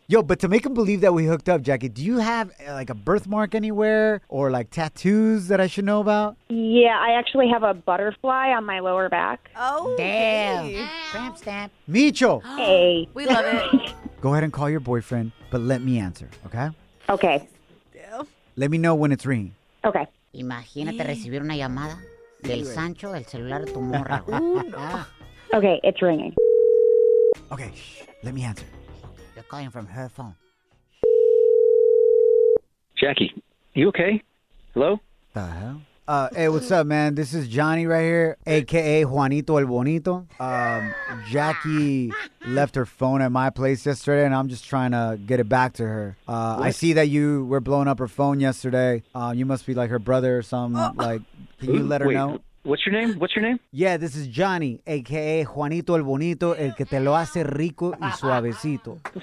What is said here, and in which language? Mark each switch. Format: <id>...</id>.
<en>Yo, but to make him believe that we hooked up, Jackie, do you have, like, a birthmark anywhere or, like, tattoos that I should know about? Yeah, I actually have a butterfly on my lower back. Oh, damn. Tramp stamp. Micho. Hey. We love it. Go ahead and call your boyfriend, but let me answer, okay? Okay. Let me know when it's ringing. Okay.</en> <es>Imagínate recibir una llamada del Sancho, el celular de tu morra.</es> <en>Okay, it's ringing. Okay, shh. Let me answer. Calling from her phone. Jackie, you okay? Hello? The hell? Hey, what's up, man? This is Johnny right here, a.k.a. Juanito el Bonito. Jackie left her phone at my place yesterday, and I'm just trying to get it back to her. I see that you were blowing up her phone yesterday. You must be like her brother or something. Like, can you let her know? What's your name? Yeah, this is Johnny, a.k.a.</en> <es>Juanito el Bonito, el que te lo hace rico y suavecito.</es>